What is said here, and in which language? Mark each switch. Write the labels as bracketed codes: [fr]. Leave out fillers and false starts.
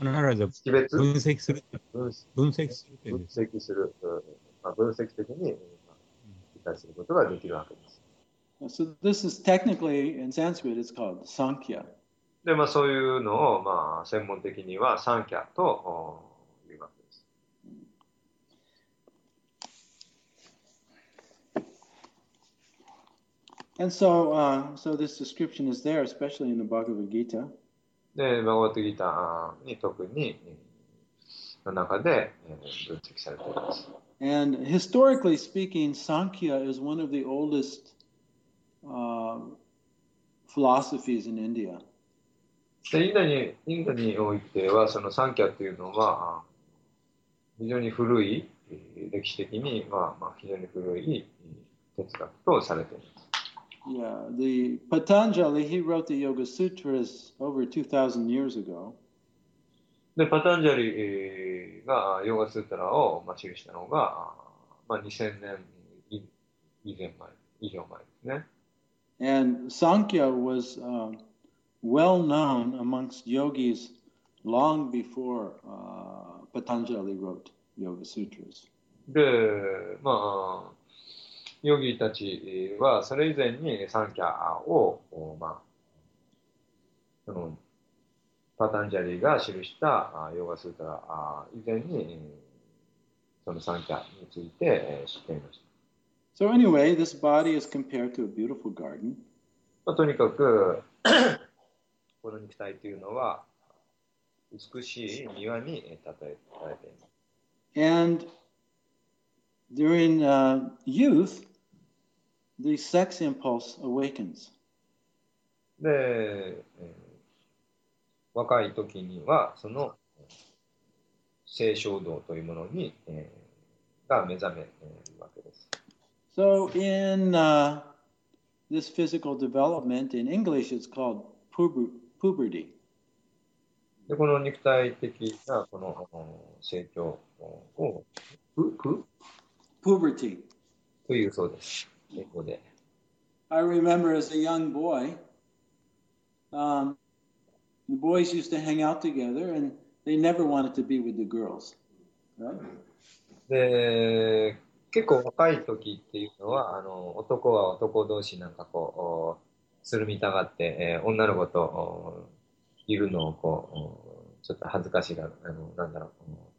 [ja] アナライズ、分析する、分析する、分析する、分析的に理解することができるわけです。 [en] So this is technically in Sanskrit, it's called Sankhya. [ja] で、まあそういうのを、まあ専門的にはサンキャと言いますです。 [en] And so, so this description is there, especially in the Bhagavad Gita. [ja] で、バガヴァッド・ギーターに特に、の中で、分析されています。 [en] And historically speaking, Sankhya is one of the oldest philosophies in India. [ja] で、インドにおいては、そのサンキャというのは、非常に古い、歴史的には、まあ、非常に古い哲学とされています。 [en] Yeah, the Patanjali, he wrote the Yoga Sutras over 2,000 years ago. [ja] で、パタンジャリがヨガスートラを記したのが、まあ、2000年以前前、以上前ですね。 [en] And Sankhya was well known amongst yogis long before Patanjali wrote Yoga Sutras. [ja] で、まあ、ヨギたちはそれ以前にサンキャを、まあ、そのパタンジャリが記したヨガスータラ以前にそのサンキャについて知っていました。 [en] So anyway, this body is compared to a beautiful garden. [ja] まあ、とにかくこの肉体というのは美しい庭に例えられています。 [en] And during youth, the sex impulse awakens. [ja] で、若い時にはその性衝動というものに、が目覚めるわけです。 [en] So in this physical development, in English, it's called puberty. [ja] で、この肉体的なこの成長を、 [en] puberty [ja] というそうです。英語で。 [en] I remember as a young boy, the boys used to hang out together and they never wanted to be with the girls. Right? [ja] で、結構若い時っていうのは、男は男同士なんかこう、つるみたがって、女の子といるのをこう、ちょっと恥ずかしがる、なんだろう。